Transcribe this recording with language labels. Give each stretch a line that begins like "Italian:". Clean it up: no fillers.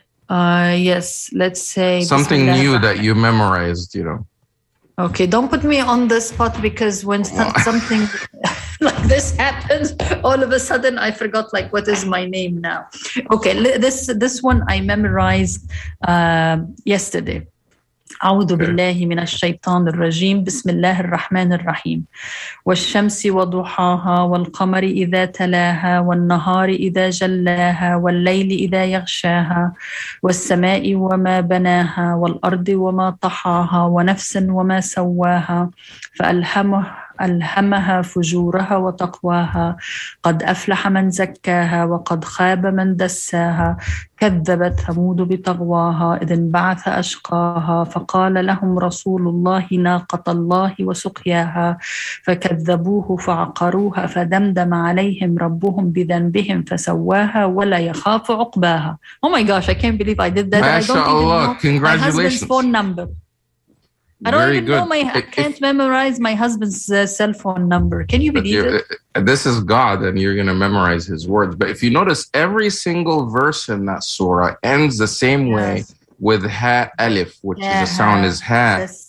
English: Yes, let's say... Something new that you memorized, Okay, don't put me on the spot, because when something like this happens, all of a sudden I forgot, like, what is my name now? Okay, this one I memorized yesterday.
Arabic: أعوذ بالله من الشيطان الرجيم بسم الله الرحمن الرحيم والشمس وضحاها والقمر إذا تلاها والنهار إذا جلاها والليل إذا يغشاها والسماء وما بناها والأرض وما طحاها ونفس وما سواها فألهمه ألهمها فجورها وتقواها قد أفلح من زكاها وقد خاب من دساها كذبت ثمود بطغواها إذ انبعث أشقاها فقال لهم رسول الله ناقة الله وسقياها فكذبوه فعقروها فدمدم عليهم ربهم بذنبهم فسواها ولا يخاف عقباها.
English: Oh my gosh, I can't believe I did that.
Arabic: Masha,
English: I don't even
Arabic: Allah,
English: know congratulations. My husband's phone number. I don't memorize my husband's cell phone number. Can you believe it? This is God, and you're going to memorize his words. But if you notice, every single verse in that surah ends the same way with ha alif, which is the sound is ha.